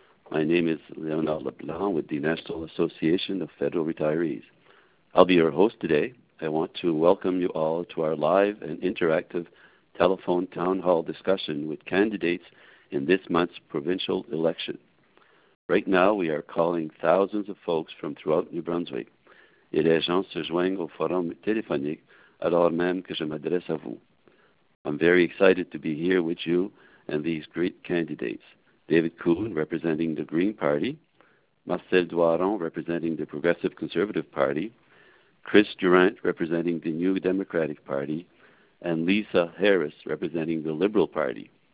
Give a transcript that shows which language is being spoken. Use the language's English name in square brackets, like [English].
[English] My name is Leonard LeBlanc with the National Association of Federal Retirees. I'll be your host today. I want to welcome you all to our live and interactive telephone town hall discussion with candidates in this month's provincial election. Right now, we are calling thousands of folks from throughout New Brunswick. [French] Et les gens se joignent au forum téléphonique alors même que je m'adresse à vous. [English] I'm very excited to be here with you and these great candidates. David Kuhn, representing the Green Party, Marcel Doiron, representing the Progressive Conservative Party, Chris Durant, representing the New Democratic Party, and Lisa Harris, representing the Liberal Party.